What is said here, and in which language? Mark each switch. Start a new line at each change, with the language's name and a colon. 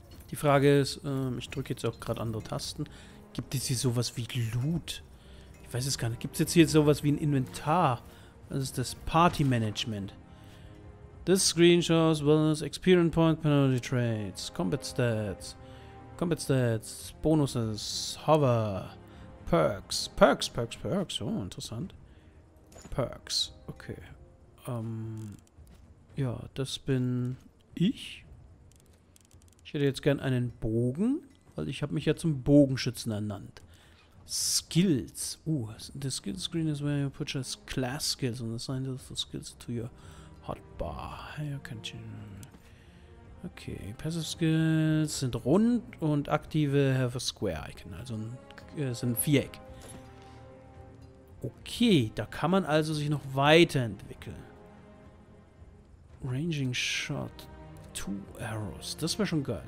German: Die Frage ist, ich drücke jetzt auch gerade andere Tasten. Gibt es hier sowas wie Loot? Ich weiß es gar nicht. Gibt es jetzt hier sowas wie ein Inventar? Was ist das? Party Management.
English: This screen shows bonus experience point penalty traits. Combat stats. Combat stats. Bonuses. Hover. Perks.
German: Perks, Perks, Perks. Oh, interessant. Perks. Okay. Ja, das bin ich. Ich hätte jetzt gern einen Bogen, weil ich habe mich ja zum Bogenschützen ernannt.
English: Skills. The skill screen is where you put your class skills and assign the skills to your hotbar. You can change.
German: Okay, passive skills sind rund und aktive
English: have a square icon,
German: also sind ein Viereck. Okay, da kann man also sich noch weiterentwickeln. Ranging Shot, 2 Arrows. Das wäre schon geil.